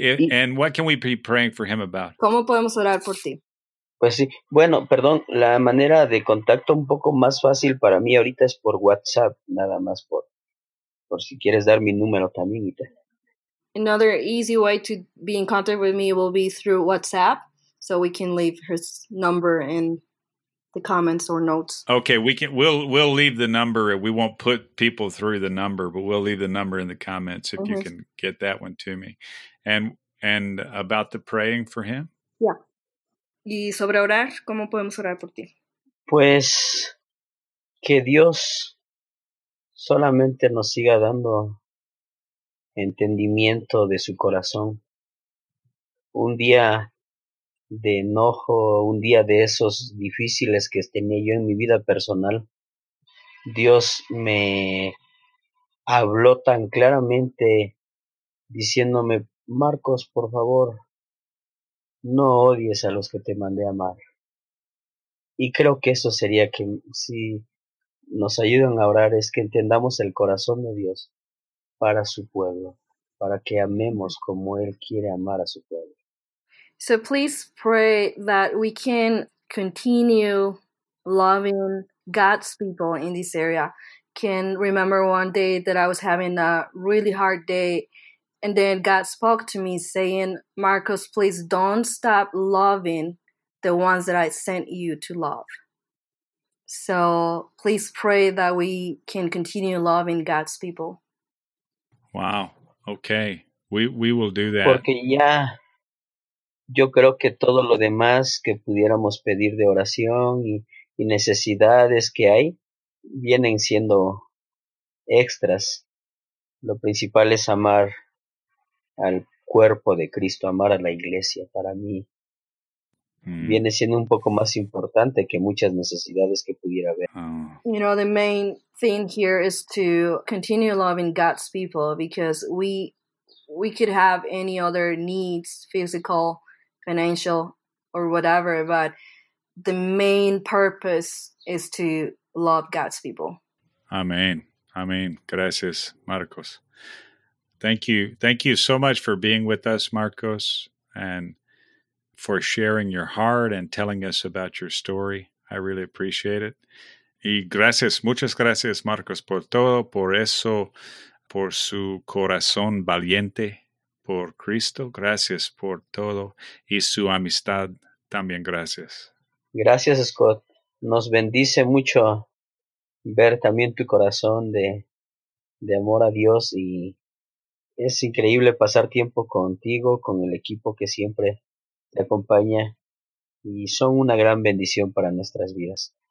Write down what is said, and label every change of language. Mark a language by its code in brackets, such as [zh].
[en] And what can we be praying for him about? [es] ¿Cómo podemos orar por ti? Pues sí, bueno, perdón, la manera de contacto un poco más fácil para mí ahorita es por WhatsApp, nada más por si quieres dar mi número también. [en] another easy way to be in contact with me will be through WhatsApp, so we can leave his number in the comments or notes. Okay, we'll leave the number. We won't put people through the number, but we'll leave the number in the comments if you can get that one to me. And about the praying for him? Yeah. [es] Y sobre orar, ¿cómo podemos orar por ti? Pues que Dios solamente nos siga dando entendimiento de su corazón. Un día de enojo, un día de esos difíciles que tenía yo en mi vida personal, Dios me habló tan claramente diciéndome: Marcos, por favor, no odies a los que te mandé amar. Y creo que eso sería que si nos ayudan a orar, es que entendamos el corazón de Dios para su pueblo, para que amemos como Él quiere amar a su pueblo. [en] So please pray that we can continue loving God's people in this area. Can remember one day that I was having a really hard day, and then God spoke to me saying, Marcos, please don't stop loving the ones that I sent you to love. So please pray that we can continue loving God's people. Wow. Okay. We will do that. [es] Porque ya yo creo que todo lo demás que pudiéramos pedir de oración y necesidades que hay vienen siendo extras. Lo principal es amar al cuerpo de Cristo, amar a la iglesia. Para mí viene siendo un poco más importante que muchas necesidades que pudiera haber. [en] You know, the main thing here is to continue loving God's people, because we could have any other needs, physical, financial, or whatever, but the main purpose is to love God's people. Amen. Amen. [es] Gracias, [en] Marcos. Thank you. Thank you so much for being with us, Marcos, and for sharing your heart and telling us about your story. I really appreciate it. [es] Y gracias, muchas gracias, Marcos, por todo, por eso, por su corazón valiente por Cristo. Gracias por todo y su amistad también. Gracias. Gracias, Scott. Nos bendice mucho ver también tu corazón de amor a Dios, y es increíble pasar tiempo contigo, con el equipo que siempre te acompaña, y son una gran bendición para nuestras vidas.